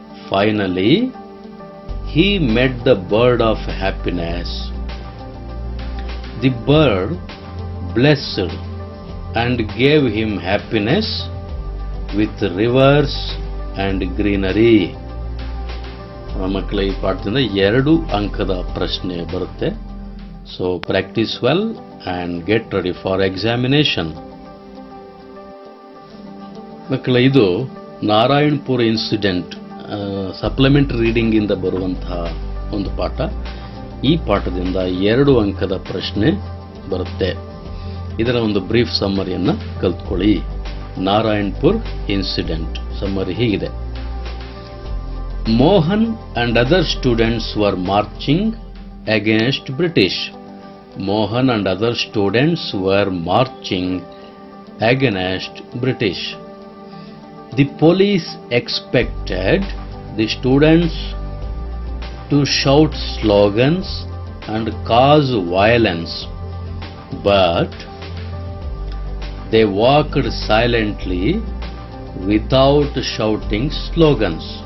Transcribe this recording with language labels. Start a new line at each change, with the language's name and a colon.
English: Finally, he met the bird of happiness. The bird blessed and gave him happiness with rivers and greenery.
Kannada: ಮಕ್ಕಳ ಈ ಪಾಠದಿಂದ ಎರಡು ಅಂಕದ ಪ್ರಶ್ನೆ ಬರುತ್ತೆ.
English: So practice well and get ready for examination.
Kannada: ಮಕ್ಕಳ ಇದು Narayanpur
English: incident supplementary reading
Kannada: ಇಂದ ಬರುವಂತಹ ಒಂದು ಪಾಠ. ಈ ಪಾಠದಿಂದ ಎರಡು ಅಂಕದ ಪ್ರಶ್ನೆ ಬರುತ್ತೆ. ಇದರ ಒಂದು ಬ್ರೀಫ್ ಸಮ್ಮರಿಯನ್ನು ಕಲ್ತ್ಕೊಳ್ಳಿ. ನಾರಾಯಣ್ಪುರ್ ಇನ್ಸಿಡೆಂಟ್ ಸಮ್ಮರಿ ಹೀಗಿದೆ.
English: Mohan and other students were marching against British. Mohan and other students were marching against British. The police expected the students to shout slogans and cause violence, but they walked silently without shouting slogans.